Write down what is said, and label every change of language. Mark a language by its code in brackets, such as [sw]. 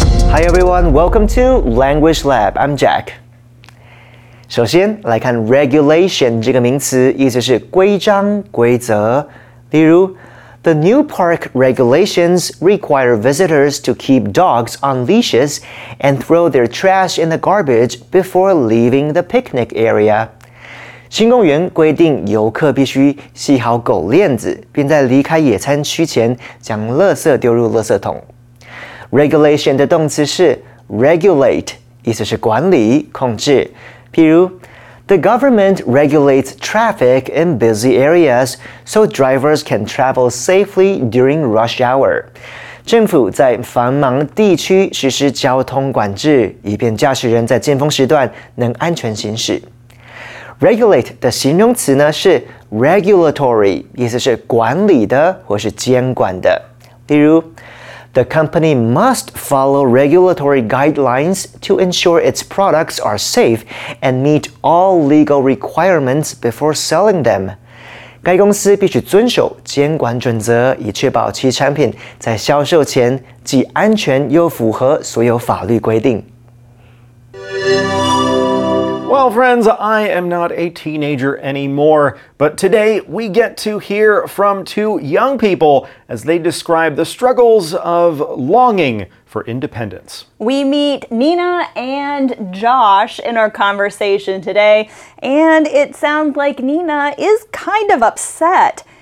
[en] Hi everyone, welcome to Language Lab. I'm Jack. [zh] 首先来看 regulation 这个名词，意思是规章、规则。例如 [en] ，The new park regulations require visitors to keep dogs on leashes and throw their trash in the garbage before leaving the picnic area. [zh] 新公园规定游客必须系好狗链子，并在离开野餐区前将垃圾丢入垃圾桶。 Regulation 的动词是 regulate, 意思是管理、控制。譬如 [en] ,The government regulates traffic in busy areas so drivers can travel safely during rush hour. [zh] 政府在繁忙地区实施交通管制，以便驾驶人在尖峰时段能安全行驶。 Regulate 的形容词呢是 regulatory, 意思是管理的或是监管的。例如 [en] The company must follow regulatory guidelines to ensure its products are safe and meet all legal requirements before selling them. [zh] 该公司必须遵守监管准则，以确保其产品在销售前既安全又符合所有法律规定。 [en] Well, friends, I am not a teenager anymore, but today we get to hear from two young people as they describe the struggles of longing for independence. We meet Nina and Josh in our conversation today, and it sounds like Nina is kind of upset.